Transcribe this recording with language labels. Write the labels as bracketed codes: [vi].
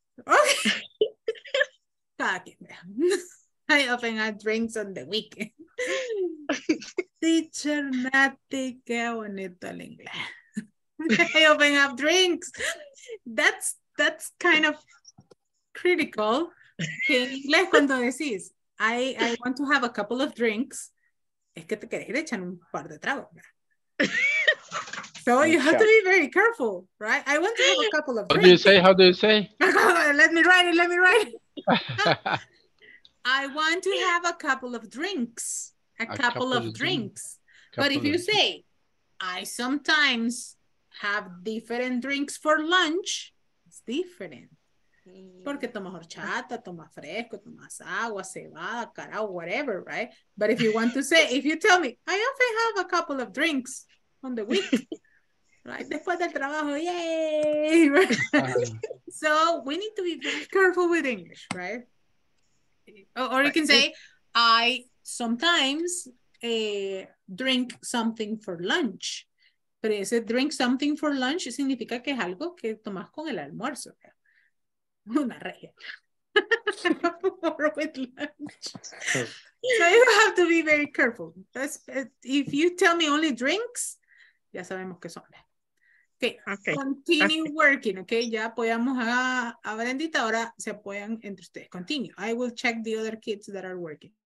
[en] Okay. I often have drinks on the weekend. Teacher Nati, [es] qué bonito el inglés. [en] I often have drinks. That's kind of critical. [es] En inglés cuando decís [en] I want to have a couple of drinks, [es] es que te querés echar un par de tragos. [en] So you have to be very careful, right? I want to have a couple of drinks. How do you say? Let me write it. I want to have a couple of drinks. But if you say, I sometimes have different drinks for lunch, it's different. [es] Porque tomas horchata, tomas fresco, tomas agua, cebada, carao, whatever, right? [en] But if you want to say, if you tell me, I often have a couple of drinks on the week, right? [es] Después del trabajo, [en] yay! So we need to be very careful with English, right? Or you can say, I sometimes drink something for lunch. [es] Pero ese [en] drink something for lunch [es] significa que es algo que tomas con el almuerzo. Una regia. [en] With lunch. So you have to be very careful. That's, if you tell me only drinks, [es] ya sabemos que son. [en] Okay. Continue working, okay? [es] Ya apoyamos a Brendita, ahora se apoyan entre ustedes. [en] Continue. I will check the other kids that are working.